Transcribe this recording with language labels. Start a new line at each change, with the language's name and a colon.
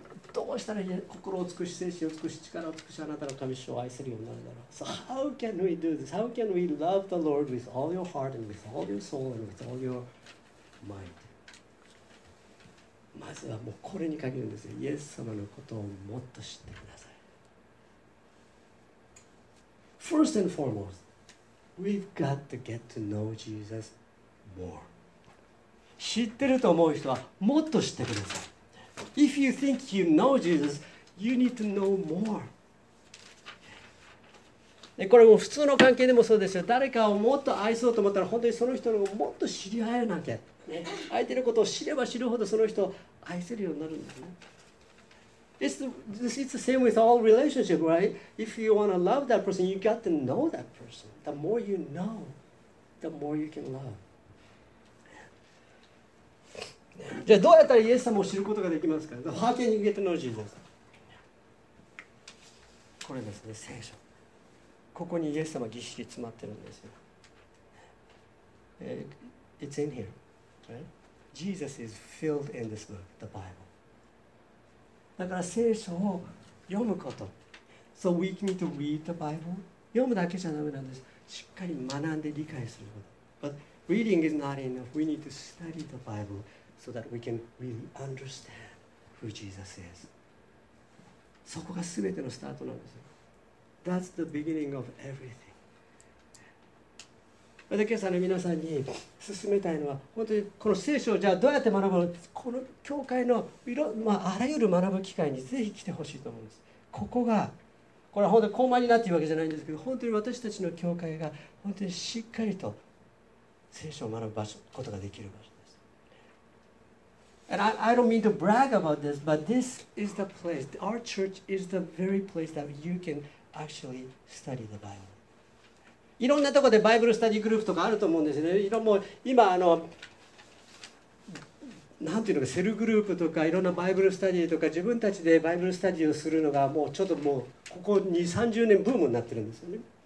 Japanese: どうしたら心を尽くし、精神を尽くし、力を尽くし、あなたの神主を愛せるようになるんだろう。
English: So how can we do this? How can we love the Lord with all your heart and with all your soul and with all your mind?
Japanese: まずはもうこれに限るんですよ。イエス様のことをもっと知ってください。
English: First and foremost, we've got to get to know Jesus more.
Japanese: 知ってると思う人はもっと知ってください。
English: If you think you know Jesus, you need to know more.
Japanese: でこれも普通の関係でもそうですよ。誰かをもっと愛そうと思ったら、本当にその人のことをもっと知り合えなきゃ、ね。相手のことを知れば知るほどその人を愛せるようになるんだよね。
English: It's the same with all relationships, right? If you want to love that person, you got to know that person. The more you know, the more you can love.
Japanese: じゃあどうやったらイエス様を知ることができますか。
English: How can you get to know Jesus?
Japanese: これですね、聖書。ここにイエス様ぎっしり詰まってるんですよ。
English: It's in here, right? Jesus is filled in this book, the Bible.
Japanese: だから聖書を読むこと。
English: So we need to read the Bible?
Japanese: 読むだけじゃダメなんです。しっかり学んで理解すること。
English: But reading is not enough. We need to study the Bible. So that we can really understand who Jesus is.
Japanese: そこが全てのスタートなんですよ。
English: That's the beginning of everything.
Japanese: また今朝の皆さんに進めたいのは、本当にこの聖書をじゃあどうやって学ぶの、この教会のいろ、まあ、あらゆる学ぶ機会にぜひ来てほしいと思うんです。ここが、これは本当に高慢になっているわけじゃないんですけど、本当に私たちの教会が本当にしっかりと聖書を学ぶ場所、ことができる場所。
English: And I don't mean to brag about this, but this is the place. Our church is the very place that you can actually study the Bible.
Japanese: いろんなところでバイブルスタディグループとかあると思うんですね。いろんな今あのなんていうのか、セルグループとかいろんなバイブルスタディとか、自分たちでバイブルスタディをするのがもうちょっともうここ20-30年ブームになってるんですよね。